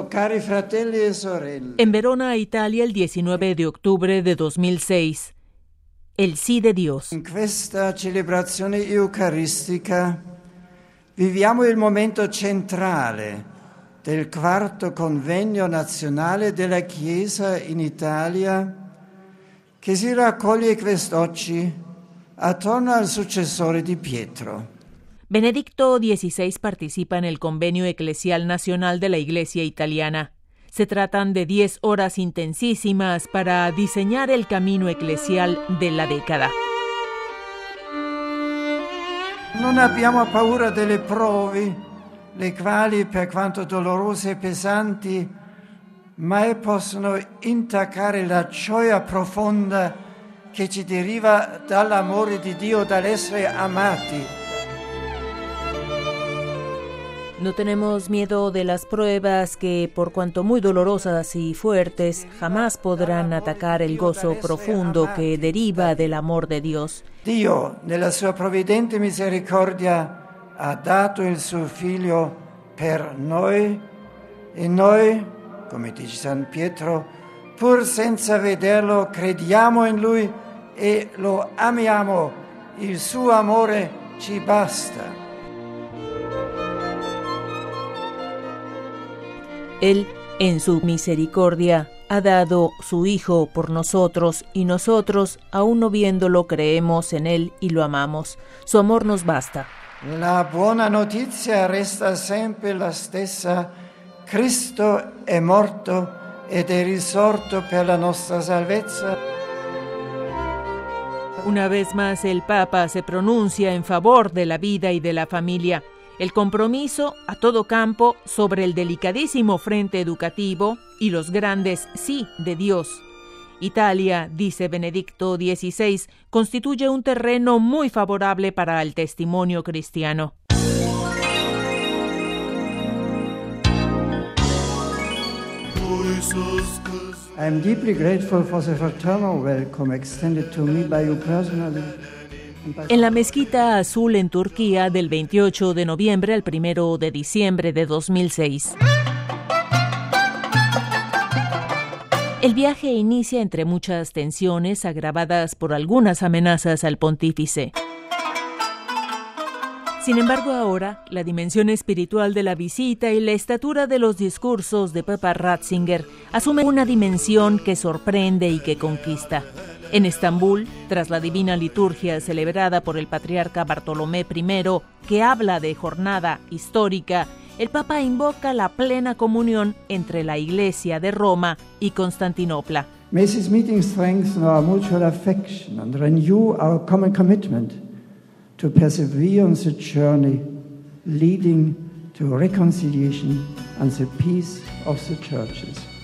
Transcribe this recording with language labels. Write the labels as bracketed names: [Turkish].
[Spanish] En Verona, Italia, el 19 de octubre de 2006, el sí de Dios. [Italian] In questa celebrazione eucaristica viviamo il momento centrale del quarto convegno nazionale della Chiesa in Italia, che si raccoglie quest'oggi attorno al successore di Pietro. [Spanish] Benedicto XVI participa en el Convenio Eclesial Nacional de la Iglesia Italiana. Se tratan de 10 horas intensísimas para diseñar el camino eclesial de la década. [Italian] Non abbiamo paura delle prove, le quali, per quanto dolorose e pesanti, mai possono intaccare la gioia profonda che ci deriva dall'amore di Dio, dall'essere amati. [Spanish] No tenemos miedo de las pruebas que, por cuanto muy dolorosas y fuertes, jamás podrán atacar el gozo profundo que deriva del amor de Dios. [Italian] Dio, nella sua provvidente misericordia, ha dato il suo figlio per noi, e noi, come dice San Pietro, pur senza vederlo, crediamo in lui e lo amiamo. Il suo amore ci basta. [Spanish] Él, en su misericordia, ha dado su Hijo por nosotros y nosotros, aún no viéndolo, creemos en Él y lo amamos. Su amor nos basta. La buena noticia resta siempre [Italian] la stessa. Cristo è morto ed è risorto per la nostra salvezza. [Spanish] Una vez más, el Papa se pronuncia en favor de la vida y de la familia. El compromiso a todo campo sobre el delicadísimo frente educativo y los grandes sí de Dios. Italia, dice Benedicto XVI, constituye un terreno muy favorable para el testimonio cristiano. [English] I'm deeply grateful for the fraternal welcome extended to me by you personally. [Spanish] En la Mezquita Azul en Turquía, del 28 de noviembre al 1 de diciembre de 2006. El viaje inicia entre muchas tensiones agravadas por algunas amenazas al pontífice. Sin embargo, ahora, la dimensión espiritual de la visita y la estatura de los discursos de Papa Ratzinger asume una dimensión que sorprende y que conquista. En Estambul, tras la divina liturgia celebrada por el patriarca Bartolomé I, que habla de jornada histórica, el Papa invoca la plena comunión entre la Iglesia de Roma y Constantinopla. [English] May this meeting strengthen our mutual affection and renew our common commitment to persevere on the journey leading to reconciliation and the peace of the churches.